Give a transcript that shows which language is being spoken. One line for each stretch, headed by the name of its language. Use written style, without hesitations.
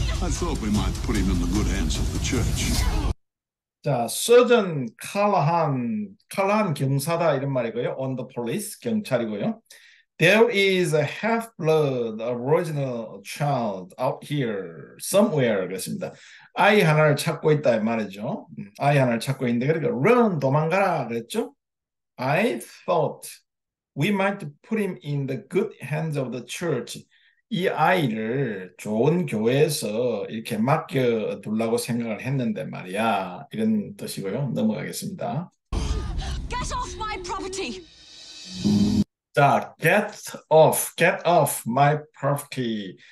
English: I thought we might put him in the good hands of the church.
Korean: 자, Sergeant Callahan, Callahan 경사다 이런 말이고요.
English: On the police,
Korean: 경찰이고요.
English: There is a half-blood Aboriginal child out here somewhere.
Korean: 그렇습니다. 아이 하나를 찾고 있다 말이죠. 아이 하나를 찾고 있는데 그러니까 run, 도망가라 그랬죠.
English: I thought we might put him in the good hands of the church.
Korean: 이 아이를 좋은 교회에서 이렇게 맡겨둘라고 생각을 했는데 말이야. 이런 뜻이고요. 넘어가겠습니다.
English: Get off my property! 자, get off. Get off my property.